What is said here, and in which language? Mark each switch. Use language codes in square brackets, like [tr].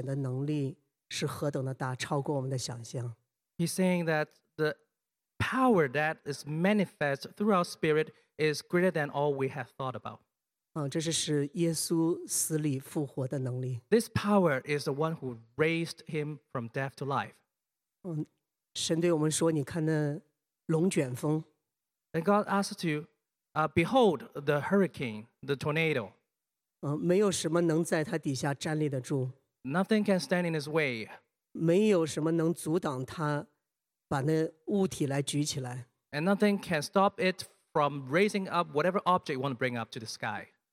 [zh] 他对我们说，要在我们灵里所彰显的能力是何等的大，超过我们的想象。 [en] He's saying that the power that is manifest through our spirit is greater than all we have thought about. [zh] 这是使耶稣死里复活的能力。 [en] This power is the one who raised him from death to life. [zh] 神对我们说，你看那龙卷风。 [en] And God asks to behold the hurricane, the tornado. [zh] 没有什么能在他底下站立得住。 [en] Nothing can stand in his way. [zh] 没有什么能阻挡他把那物体来举起来。 [en] And nothing can stop it from raising up whatever object you want to bring up to the sky.